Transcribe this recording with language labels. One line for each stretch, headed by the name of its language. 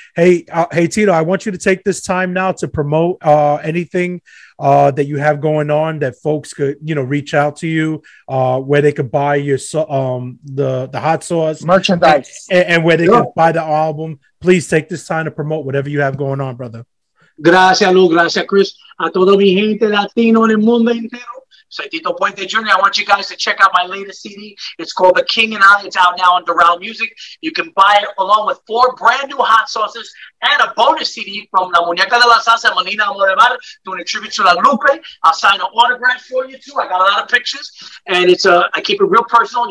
English: Hey, hey, Tito, I want you to take this time now to promote anything that you have going on that folks could, you know, reach out to you, where they could buy your the hot sauce merchandise and where they could buy the album. Please take this time to promote whatever you have going on, brother.
Spanish: Gracias, Lu. Gracias, Chris. A todo mi gente latino en el mundo entero.
English: So Tito Puente Jr., I want you guys to check out my latest CD. It's called The King and I. It's out now on Doral Music. You can buy it along with four brand new hot sauces and a bonus CD from La Muñeca de la Salsa, Molina Morevar, doing a tribute to La Lupe. I'll sign an autograph for you, too. I got a lot of pictures. And it's I keep it real personal.